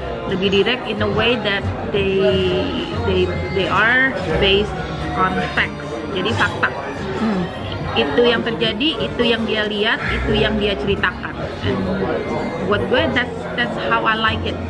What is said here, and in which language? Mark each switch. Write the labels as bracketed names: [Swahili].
[English] Lebih direct in a way that they are based on facts. [Indonesian] Jadi fakta. Itu yang terjadi, itu yang dia lihat, itu yang dia ceritakan. [English] And [Indonesian] buat gue [English] that's how I like it.